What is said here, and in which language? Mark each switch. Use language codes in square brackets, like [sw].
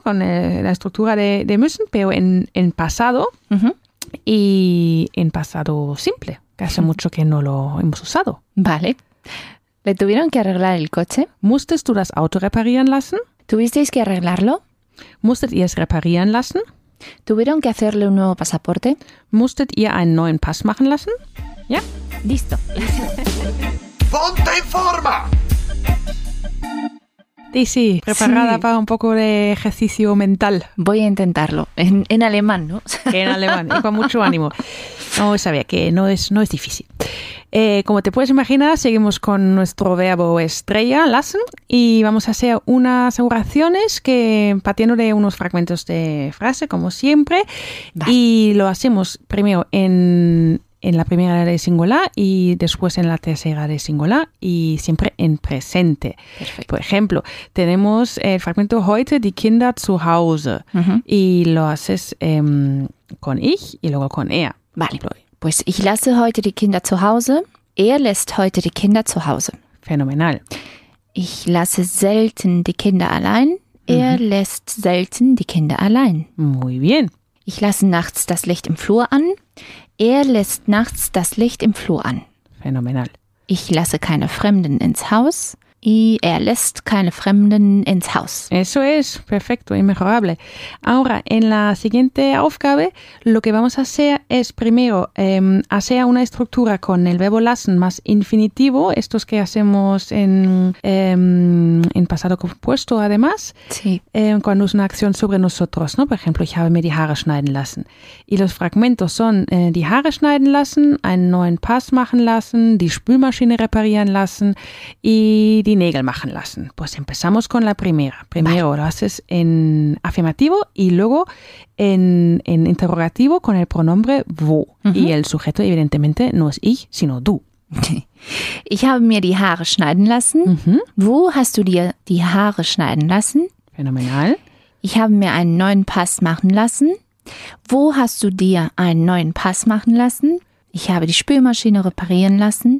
[es] Con la estructura de müssen, pero en pasado y en pasado simple, que hace mucho que no lo hemos usado. Vale. ¿Le tuvieron que arreglar el coche? [de] ¿Musstest du das Auto reparieren lassen? [es] ¿Tuvisteis que arreglarlo? [de] ¿Musstet ihr es reparieren lassen? [es] ¿Tuvieron que hacerle un nuevo pasaporte? [de] ¿Musstet ihr einen neuen Pass machen lassen? [es] ¿Ya? Listo. ¡Ponte en forma! Sí, preparada para un poco de ejercicio mental. Voy a intentarlo. En alemán, ¿no? En alemán, y con mucho ánimo. No, sabía que no es difícil. Como te puedes imaginar, seguimos con nuestro verbo estrella, lassen, y vamos a hacer unas oraciones que partiendo de unos fragmentos de frase, como siempre. Va. Y lo hacemos primero en la primera de singular y después en la tercera de singular y siempre en presente. Perfecto. Por ejemplo, tenemos el fragmento [de] heute die Kinder zu Hause. [es] Uh-huh. Y lo haces con ich y luego con er. Vale. [de] Pues ich lasse heute die Kinder zu Hause. Er lässt heute die Kinder zu Hause. [es] Fenomenal. [de] Ich lasse selten die Kinder allein. Er mhm. lässt selten die Kinder allein. [es] Muy bien. [de] Ich lasse nachts das Licht im Flur an. Er lässt nachts das Licht im Flur an. [es] Fenomenal. [de] Ich lasse keine Fremden ins Haus. Y er lässt keine Fremden ins Haus. [es] Eso es, perfecto, inmejorable. Ahora, en la siguiente aufgabe, lo que vamos a hacer es primero hacer una estructura con el verbo lassen más infinitivo, estos que hacemos en pasado compuesto, además, sí. Cuando es una acción sobre nosotros, ¿no? Por ejemplo, [de] ich habe mir die Haare schneiden lassen. [es] Y los fragmentos son [de] die Haare schneiden lassen, einen neuen Pass machen lassen, die Spülmaschine reparieren lassen y die Nägel machen lassen. [es] Pues empezamos con la primera. Primero lo haces en afirmativo y luego en interrogativo con el pronombre wo. Uh-huh. Y el sujeto evidentemente no es ich, sino du. [de] Ich habe mir die Haare schneiden lassen. [es] Uh-huh. [de] Wo hast du dir die Haare schneiden lassen? Phänomenal. Ich habe mir einen neuen Pass machen lassen. Wo hast du dir einen neuen Pass machen lassen? Ich habe die Spülmaschine reparieren lassen.